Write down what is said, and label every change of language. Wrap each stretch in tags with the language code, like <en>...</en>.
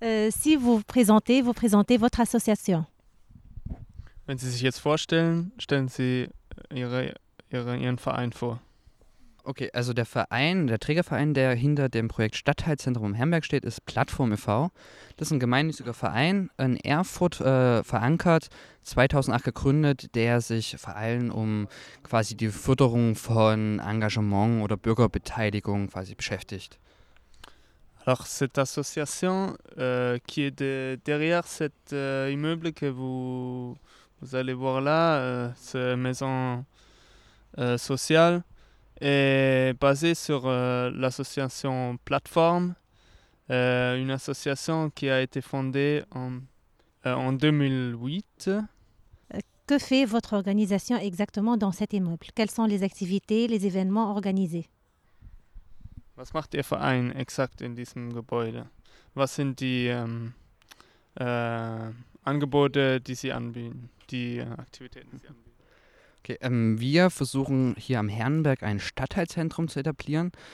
<fr>Si vous vous présentez, votre association.</fr> <de>Wenn Sie sich jetzt vorstellen, stellen Sie Ihren Verein vor. Okay, also der Verein, der Trägerverein, der hinter dem Projekt Stadtteilzentrum Hermberg steht, ist Plattform e.V. Das ist ein gemeinnütziger Verein, in Erfurt verankert, 2008 gegründet, der sich vor allem um quasi die Förderung von Engagement oder Bürgerbeteiligung quasi beschäftigt.</de> <fr>Alors cette association qui est derrière cet immeuble que vous allez voir là, cette maison sociale, est basée sur l'association Plateforme, une association qui a été fondée en 2008. Que fait votre organisation exactement dans cet immeuble? Quelles sont les activités, les événements organisés?</fr> <de>Was macht Ihr Verein exakt in diesem Gebäude? Was sind die Angebote, die Sie anbieten, die Aktivitäten, die Sie anbieten? Okay, wir versuchen hier am Herrenberg ein Stadtteilzentrum zu etablieren.</de>